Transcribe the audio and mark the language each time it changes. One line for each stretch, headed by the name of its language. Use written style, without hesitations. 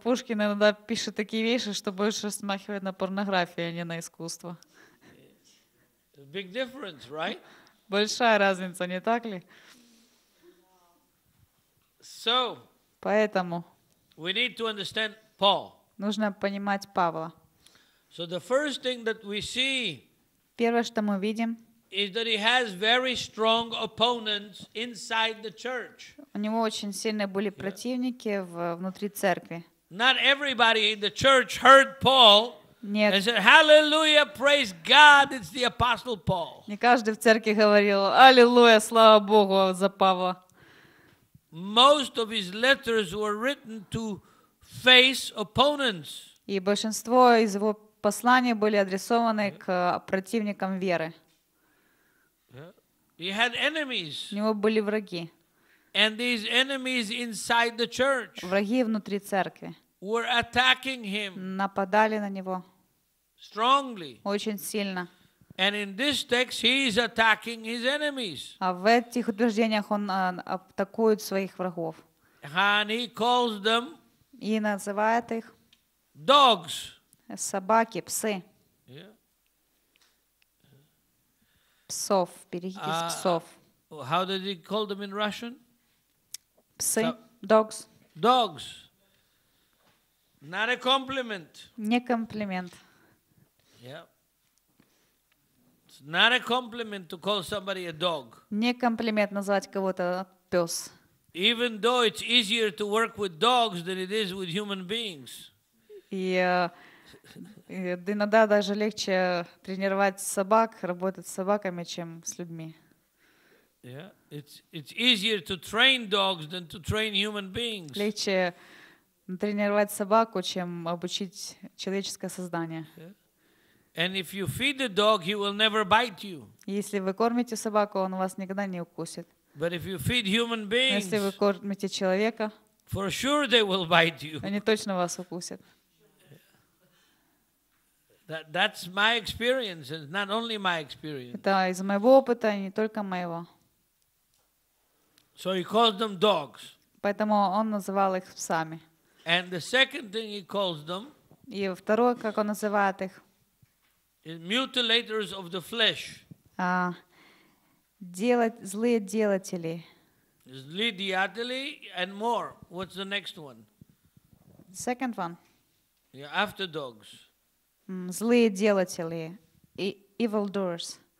Russian: Пушкин иногда пишет такие вещи, что больше смахивает на порнографию, а не на искусство.
English: Big difference, right?
Russian: Большая разница, не так ли?
English: So,
Russian: поэтому
English: we need to understand Paul.
Russian: Нужно понимать Павла.
English: So the first thing that we see,
Russian: первое, что мы видим,
English: is that he has very strong opponents inside the church.
Russian: У него очень сильные были противники внутри церкви.
English: Not everybody in the church heard Paul.
Russian: Нет.
English: And said, "Hallelujah, praise God, it's the apostle Paul."
Russian: Не каждый в церкви говорил: "Аллилуйя, слава Богу за Павла."
English: Most of his letters were written to face opponents.
Russian: И большинство из его посланий были адресованы к противникам веры.
English: He had enemies.
Russian: У него были враги.
English: And these enemies inside the church.
Russian: Враги внутри церкви.
English: were attacking him.
Russian: Нападали на него.
English: Strongly.
Russian: Очень сильно.
English: And in this text he is attacking his enemies.
Russian: А в этих утверждениях он атакует своих врагов.
English: And he calls them.
Russian: И называет их.
English: Dogs.
Russian: Собаки, псы. Псов, берегитесь псов.
English: How did he call them in Russian?
Russian: Псы, dogs.
English: Dogs. Not a compliment.
Russian: Не комплимент.
English: Yeah. It's not a compliment to call somebody a dog.
Russian: Не комплимент называть кого-то пёс.
English: Even though it's easier to work with dogs than it is with human beings.
Russian: Иногда даже легче тренировать собак, работать с собаками, чем с людьми.
English: Yeah, it's easier to train dogs than to train human beings.
Russian: Легче тренировать собаку, чем обучить человеческое создание.
English: And if you feed the dog, he will never bite you.
Russian: Если вы кормите собаку, он вас никогда не укусит.
English: But if you feed human beings,
Russian: если вы кормите человека,
English: for sure they will bite you.
Russian: Они точно вас укусят.
English: That's my experience, and not only my experience.
Russian: Это из моего опыта, не только моего.
English: So he calls them dogs.
Russian: Поэтому он называл их псами.
English: And the second thing he calls them.
Russian: И второе, как он называет их.
English: Mutilators of the flesh.
Russian: Злые делатели. Злые делатели
English: and more. What's the next one? The second one. Yeah, after dogs.
Russian: Злые делатели.
English: Evil doers.